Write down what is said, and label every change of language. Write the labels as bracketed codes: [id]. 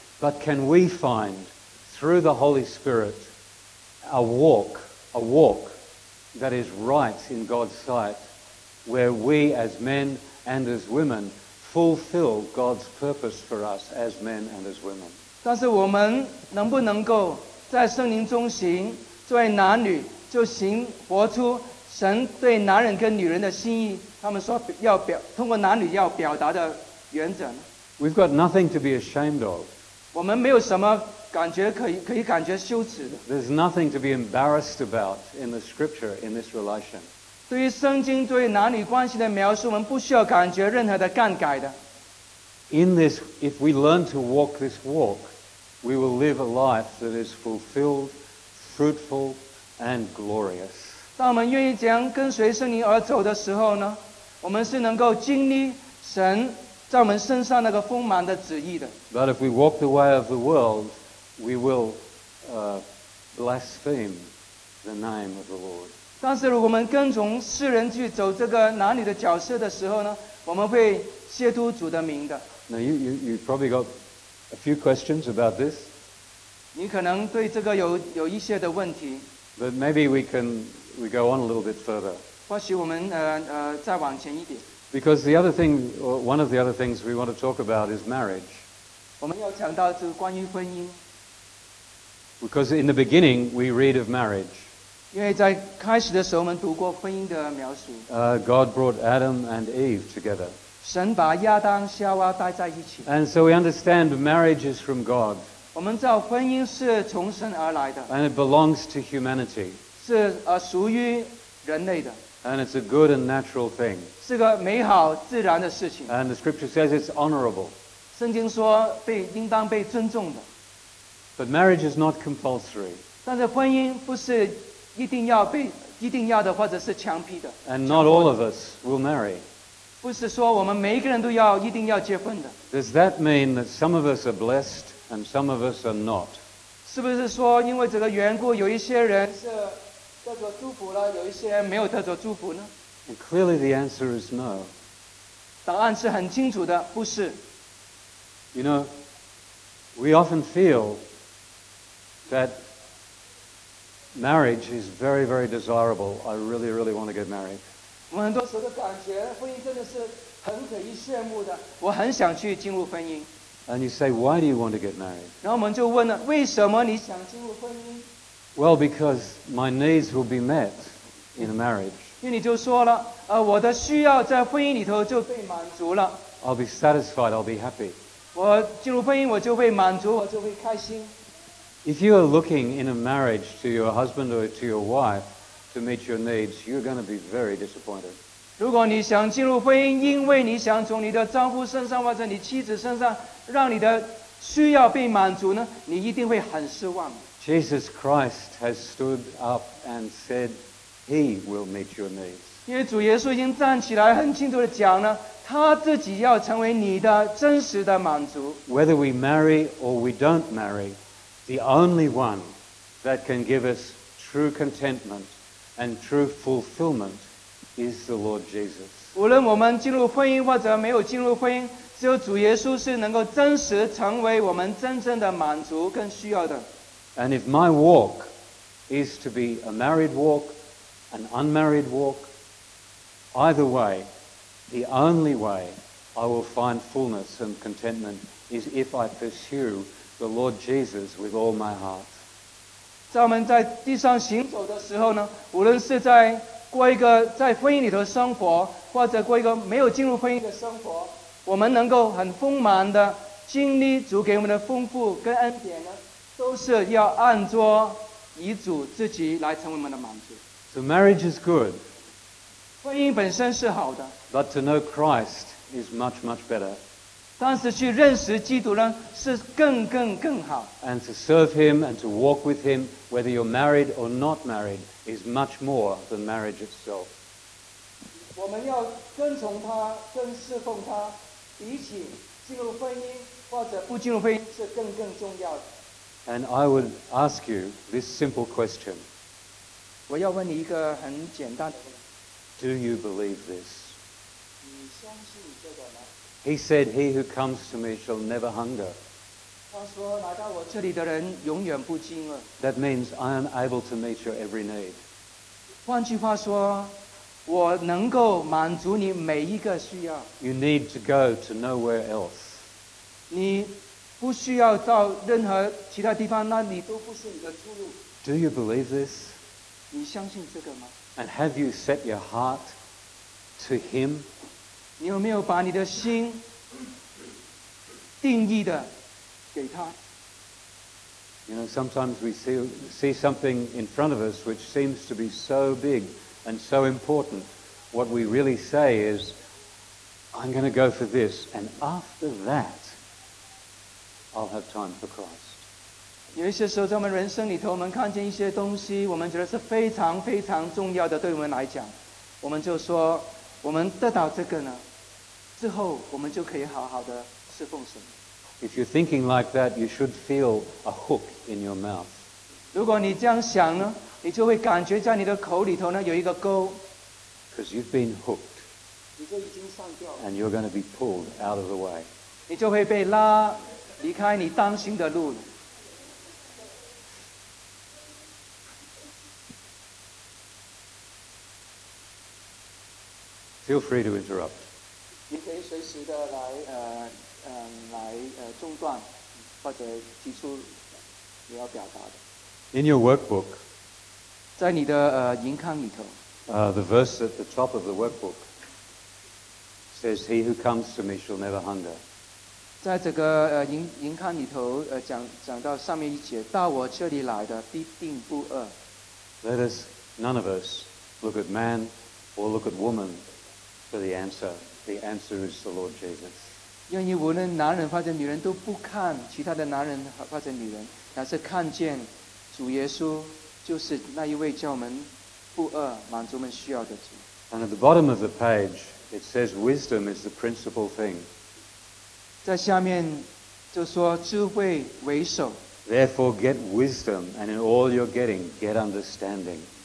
[en] But can we find, through the Holy Spirit, a walk that is right in God's sight, where we as men and as women fulfill God's purpose for us as men and as women? [zh] 但是我们能不能够？在圣灵中行，作为男女就行活出神对男人跟女人的心意，他们说要表通过男女要表达的原则呢？ [en] We've got nothing to be ashamed of. [zh] 我们没有什么感觉可以感觉羞耻的。 [en] There's nothing to be embarrassed about in the scripture in this relation. [zh] 对于圣经对于男女关系的描述，我们不需要感觉任何的尴尬的。 [en] In this, if we learn to walk this walk,We will live a life that is fulfilled, fruitful, and glorious. [zh] 当我们愿意这样跟随圣灵而走的时候呢，我们是能够经历神在我们身上那个丰满的旨意的。 [en] But if we walk the way of the world, we will blaspheme the name of the Lord. [zh] 但是如果我们跟从世人去走这个男女的角色的时候呢，我们会亵渎主的名的。 [en] Now you probably got. A few questions about this. [zh] 你可能对这个有一些的问题。 [en] But maybe we go on a little bit further. [zh] 或许我们再往前一点。 [en] Because the other thing, one of the other things we want to talk about is marriage. [zh] 我们要讲到就关于婚姻。 [en] Because in the beginning we read of marriage. [zh] 因为在开始的时候我们读过婚姻的描述。 [en] God brought Adam and Eve together. [zh] 神把亚当夏娃带在一起。 [en] And so we understand marriage is from God. [zh] 我们知道婚姻是从神而来的。 [en] And it belongs to humanity. [zh] 是属于人类的。 [en] And it's a good and natural thing. [zh] 是个美好自然的事情。 [en] And the scripture says it's honorable. [zh] 圣经说应当被尊重的。 [en] But marriage is not compulsory. [zh] 但是婚姻不是一定要的或者是强迫的。 [en] And not all of us will marry. [zh] 不是说我们每一个人都要一定要结婚的。 [en] Does that mean that some of us are blessed and some of us are not? [zh] 是不是说因为这个缘故，有一些人是得着祝福了，有一些人没有得着祝福呢？ [en] And clearly the answer is no. [zh] 答案是很清楚的，不是。 [en] You know, we often feel that marriage is very, very desirable. I really, really want to get married. [zh] 我很多时候的感觉婚姻真的是很可以羡慕的，我很想去进入婚姻。 [en] And you say, why do you want to get married? [zh] 然后我们就问了，为什么你想进入婚姻？ [en] Well, because my needs will be met in a marriage. [zh] 因为你就说了，我的需要在婚姻里头就被满足了。 [en] I'll be satisfied, I'll be happy. [zh] 我进入婚姻我就会满足，我就会开心。 [en] If you are looking in a marriage to your husband or to your wife,to meet your needs, you're going to be very disappointed. [zh] 如果你想进入婚姻，因为你想从你的丈夫身上或者你妻子身上让你的需要被满足呢，你一定会很失望。 [en] Jesus Christ has stood up and said he will meet your needs. [zh] 因为主耶稣已经站起来很清楚地讲了，他自己要成为你的真实的满足。 [en] Whether we marry or we don't marry, the only one that can give us true contentmentAnd true fulfillment is the Lord Jesus. [zh] 无论我们进入婚姻或者没有进入婚姻，只有主耶稣是能够真实成为我们真正的满足跟需要的。 [en] And if my walk is to be a married walk, an unmarried walk, either way, the only way I will find fullness and contentment is if I pursue the Lord Jesus with all my heart. [zh] 在我们在地上行走的时候呢，无论是在过一个在婚姻里头生活，或者过一个没有进入婚姻的生活，我们能够很丰满的经历主给我们的丰富跟恩典呢，都是要按着以主自己来成为我们的满足。 [en] So marriage is good. [zh] 婚姻本身是好的。 [en] But to know Christ is much, much better. [zh] 但是去认识基督呢，是更好。 [en] And to serve Him and to walk with Him, whether you're married or not married, is much more than marriage itself. [zh] 我们要跟从他，跟侍奉他，比起进入婚姻或者不进入婚姻是更重要的。 [en] And I would ask you this simple question. [zh] 我要问你一个很简单的问题。 [en] Do you believe this? [zh] 这个、 [en] He said, "He who comes to me shall never hunger." [zh] 他说，来到我这里的人永远不饥饿。 [en] That means I am able to meet your every need. [zh] 换句话说，我能够满足你每一个需要。 [en] You need to go to nowhere else. [zh] 你不需要到任何其他地方，那里都不是你的出路。 [en] Do you believe this? [zh] 你相信这个吗？ [en] And have you set your heart to Him? [zh] 你有没有把你的心定义的给他？ [en] You know, sometimes we see something in front of us which seems to be so big and so important. What we really say is, I'm going to go for this, and after that, I'll have time for Christ. [zh] 有一些时候在我们人生里头，我们看见一些东西，我们觉得是非常重要的，对我们来讲，我们就说，我们得到这个呢。之后我们就可以好好的侍奉神。 [en] If you're thinking like that, you should feel a hook in your mouth. [zh] 如果你这样想呢，你就会感觉在你的口里头呢有一个钩。 [en] Because you've been hooked. [zh] 你就已经上钩了。 [en] And you're going to be pulled out of the way. [zh] 你就会被拉离开你当行的路。 [en] Feel free to interrupt. [zh] 你可以随时的来中断或者提出你要表达的。 [en] In your workbook, [zh] 在你的银刊里头。 [en] The verse at the top of the workbook says, "He who comes to me shall never hunger." [zh] 在这个银刊里头讲到上面一节，到我这里来的必定不饿。 [en] Let us none of us look at man or look at woman for the answer. The answer is the Lord Jesus. [zh] 愿意无论男人或者女人都不看其他的男人或者女人，而是看见主耶稣，就是那一位叫我们不饿、满足我们需要的主。 [en] And at the bottom of the page, it says, "Wisdom is the principal thing." [zh] 在下面就说智慧为首。 [en] Therefore, get wisdom, and in all you're getting, get understanding.